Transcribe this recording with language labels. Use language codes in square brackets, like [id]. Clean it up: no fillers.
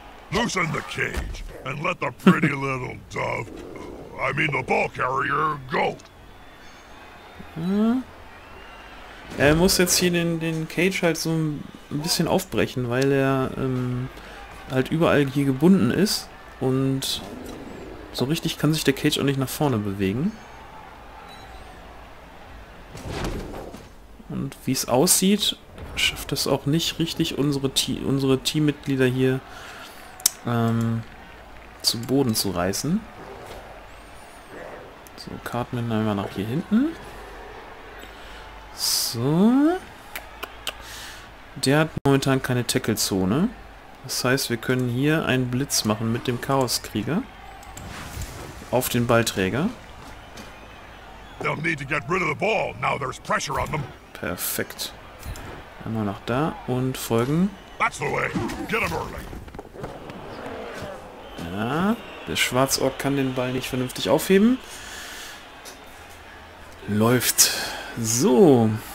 [en] Loosen the cage and let the pretty little dove, I mean the ball carrier, go. [de] Er muss jetzt hier den Cage halt so ein bisschen aufbrechen, weil er halt überall hier gebunden ist und so richtig kann sich der Cage auch nicht nach vorne bewegen. Und wie es aussieht, schafft es auch nicht richtig, unsere Teammitglieder hier zu Boden zu reißen. So, Cartman einmal nach hier hinten. So. Der hat momentan keine Tackle-Zone. Das heißt, wir können hier einen Blitz machen mit dem Chaoskrieger. Auf den Ballträger. [en] They'll need to get rid of the ball. Now there's pressure on them. [de] Perfekt. Einmal nach da und folgen. [en] That's the way. Get him early. [de] Ja, der Schwarzorg kann den Ball nicht vernünftig aufheben. Läuft. So.